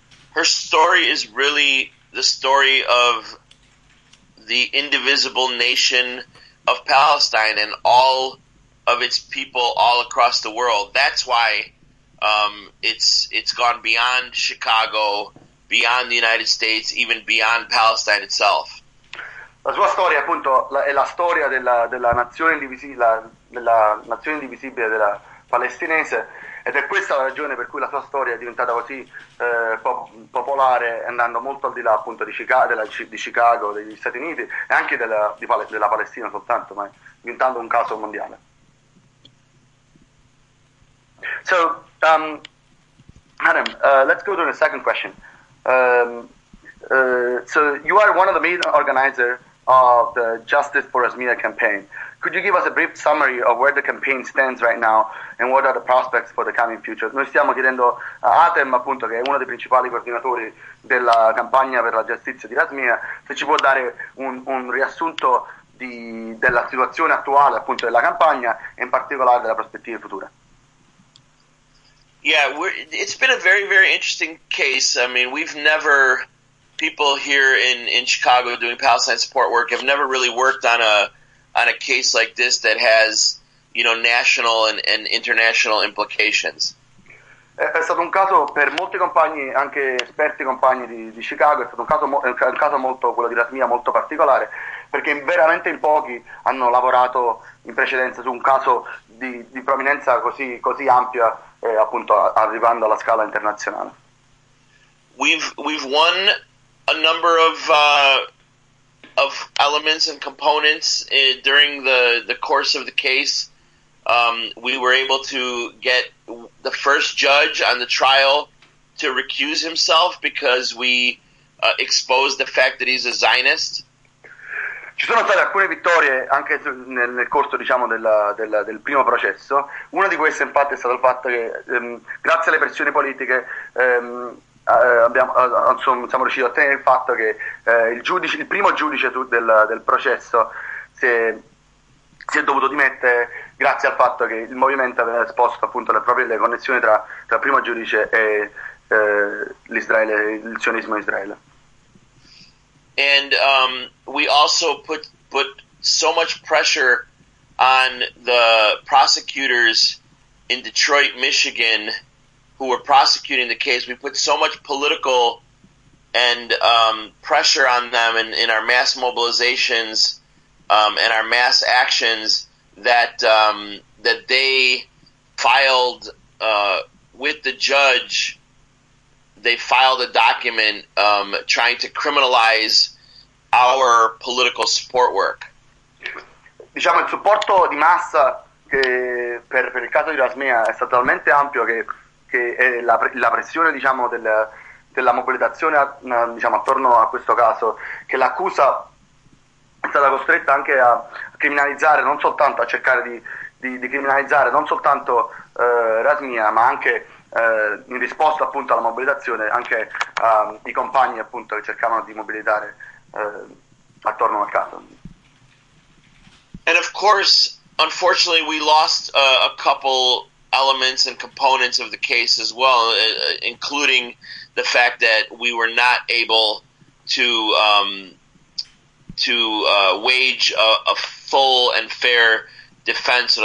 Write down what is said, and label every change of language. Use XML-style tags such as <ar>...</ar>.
<en>Her story is really the story of the indivisible nation of Palestine and all of its people all across the world. That's why it's gone beyond Chicago, beyond the United States, even beyond Palestine itself.</en> <it>La sua storia, appunto, è la storia della nazione indivisibile, della nazione indivisibile della palestinese, ed è questa la ragione per cui la sua storia è diventata così popolare, andando molto al di là, appunto, di Chicago, degli Stati Uniti, e anche della Palestina soltanto, ma diventando un caso mondiale.</it> <en>So, Adam, let's go to the second question. So you are one of the main organizers of the Justice for Rasmina campaign. Could you give us a brief summary of where the campaign stands right now and what are the prospects for the coming future?</en> <it>Noi stiamo chiedendo a Atem, appunto, che è uno dei principali coordinatori della campagna per la giustizia di Rasmina, se ci può dare un riassunto della situazione attuale, appunto, della campagna e in particolare della prospettiva futura.</it> <en>Yeah, it's been a very, very interesting case. I mean, people here in Chicago doing Palestine support work have never really worked on a case like this that has, you know, national and international implications.</en> <it>È stato un caso per molti compagni, anche esperti compagni di Chicago, è stato un caso molto, quello di Rasmina, molto particolare, perché veramente in pochi hanno lavorato in precedenza su un caso di prominenza così, così ampia, appunto arrivando alla scala internazionale.</it> <en>We've won a number of elements and components during the course of the case. We were able to get the first judge on the trial to recuse himself because we exposed the fact that he's a Zionist.</en> <it>Ci sono state alcune vittorie anche nel corso, diciamo, del primo processo. Una di queste, infatti, è stato il fatto che grazie alle pressioni politiche siamo riusciti a ottenere il fatto che il primo giudice del processo si è dovuto dimettere grazie al fatto che il movimento aveva esposto, appunto, le connessioni tra il primo giudice e l'Israele, il sionismo Israele.</it> <en>And we also put so much pressure on the prosecutors in Detroit, Michigan, who were prosecuting the case. We put so much political and pressure on them in our mass mobilizations and our mass actions that they filed with the judge, they filed a document trying to criminalize our political support work.</en> <it>Diciamo, il supporto di massa che per il caso di Rasmea è stato talmente ampio che la pressione, diciamo, della mobilitazione diciamo attorno a questo caso, che l'accusa è stata costretta anche a criminalizzare, non soltanto a cercare di criminalizzare non soltanto Rasmea, ma anche in risposta appunto alla mobilitazione anche i compagni appunto che cercavano di mobilitare attorno al caso.</it> <en>And of course, unfortunately, we lost a couple elements and components of the case as well, including the fact that we were not able to wage a full and fair defense.</en>